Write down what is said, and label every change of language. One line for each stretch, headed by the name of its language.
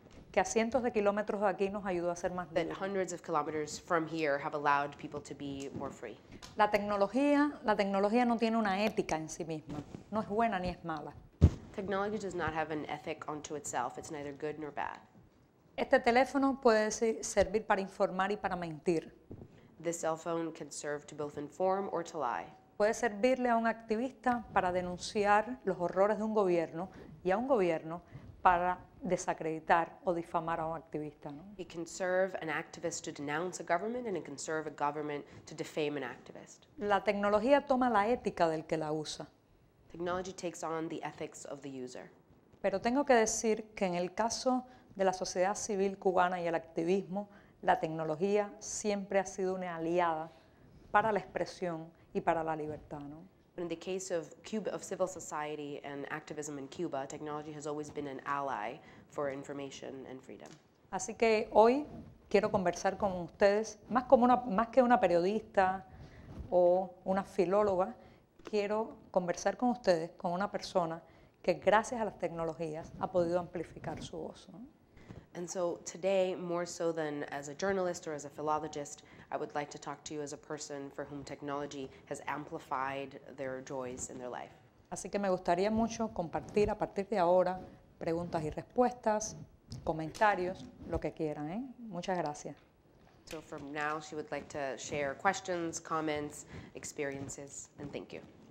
Spanish: que a cientos de kilómetros de aquí nos ayudó a ser más libres.
English: That hundreds of kilometers from here have allowed people to be more free.
Spanish: La tecnología no tiene una ética en sí misma. No es buena ni es mala.
English: Technology does not have an ethic unto itself. It's neither good nor bad.
Spanish: Este teléfono puede servir para informar y para mentir.
English: This cell phone can serve to both inform or to lie.
Spanish: Puede servirle a un activista para denunciar los horrores de un gobierno y a un gobierno para desacreditar o difamar a un activista, ¿no?
English: It can serve an activist to denounce a government and it can serve a government to defame an activist.
Spanish: La tecnología toma la ética del que la usa.
English: Technology takes on the ethics of the user.
Spanish: Pero tengo que decir que en el caso de la sociedad civil cubana y el activismo, la tecnología siempre ha sido una aliada para la expresión y para la libertad, ¿no?
English: But in the case of Cuba, of civil society and activism in Cuba, technology has always been an ally for information and freedom.
Spanish: Así que hoy quiero conversar con ustedes, más que una periodista o una filóloga, quiero conversar con ustedes con una persona que gracias a las tecnologías ha podido amplificar su voz, ¿no?
English: And so today, more so than as a journalist or as a philologist, I would like to talk to you as a person for whom technology has amplified their joys in their life.
Spanish: Así que me gustaría mucho compartir a partir de ahora preguntas y respuestas, comentarios, lo que quieran, ¿eh? Muchas gracias.
English: So from now, she would like to share questions, comments, experiences, and thank you.